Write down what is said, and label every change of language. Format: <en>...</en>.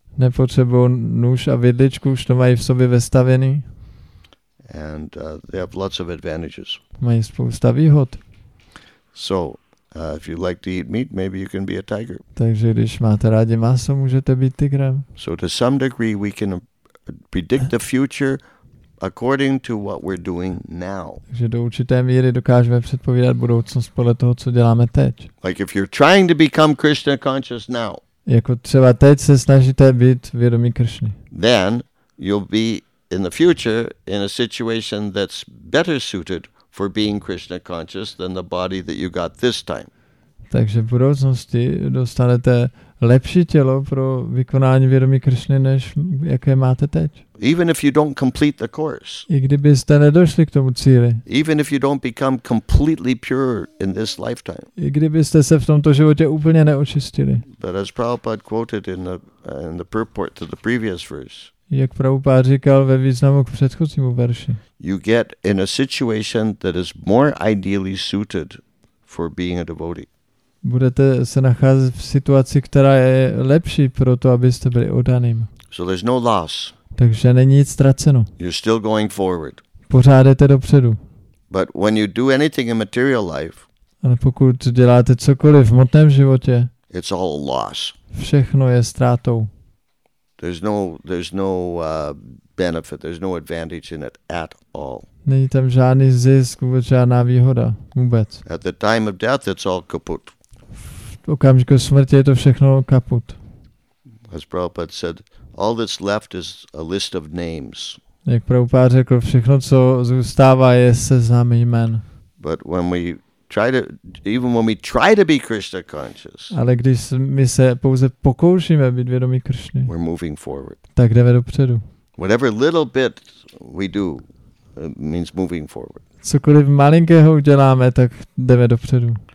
<cs>Nepotřebují nůž a vidličku, už to mají v sobě vestavěný.</cs> <en>And they have lots of advantages.</en> <cs>Mají spousta výhod.</cs> <en>So, if you like to eat meat, maybe you can be a tiger.</en> <cs>Takže když máte rádi maso, můžete být tygrem.</cs> <en>So to some degree we can predict the future according to what we're doing now.</en> <cs>Takže do určité míry dokážeme předpovídat budoucnost podle toho, co děláme teď.</cs> <en>Like if you're trying to become Krishna conscious now.</en> <cs>Jako třeba teď se snažíte být vědomí Kršny.</cs> <en>Then you'll be in the future in a situation that's better suited for being Krishna conscious than the body that you got this time.</en> <cs>Takže v budoucnosti dostanete lepší tělo pro vykonání vědomí Kršny, než jaké máte teď.</cs> <en>Even if you don't complete the course.</en> <cs>I kdybyste nedošli k tomu cíli.</cs> <en>Even if you don't become completely pure in this lifetime.</en> <cs>I kdybyste se v tomto životě úplně neočistili.</cs> <en>But as Prabhupada quoted in the purport to the previous verse.</en> <cs>Jak Prabhupada říkal ve významu k předchozímu verši.</cs> <en>You get in a situation that is more ideally suited for being a devotee.</en> <cs>Budete se nacházet v situaci, která je lepší pro to, abyste byli oddaným.</cs> <en>So there's no loss.</en> <cs>Takže není nic ztraceno.</cs> <en>You're still going forward.</en> <cs>Pořád jdete dopředu.</cs> <en>But when you do anything in material life,</en> <cs>ale pokud děláte cokoliv v hmotném životě,</cs> <en>it's all a loss.</en> <cs>Všechno je ztrátou.</cs> <en>There's no benefit, there's no advantage in it at all.</en> <cs>Není tam žádný zisk, žádná výhoda, vůbec.</cs> <en>At the time of death, it's all kaput.</en> <cs>V okamžiku smrti je to všechno kaput.</cs> <en>As Prabhupada said, all that's left is a list of names.</en> <cs>Jak Prabhupada řekl, všechno, co zůstává, je seznam jmen.</cs> <en>But when we try to, even when we try to be Krishna conscious.</en> <cs>Ale když my se pouze pokoušíme být vědomí Kršny.</cs> <en>We're moving forward.</en> <cs>Tak jdeme dopředu.</cs> <en>Whatever little bit we do means moving forward.</en> <cs>Cokoliv malinkého uděláme, tak jdeme dopředu.</cs>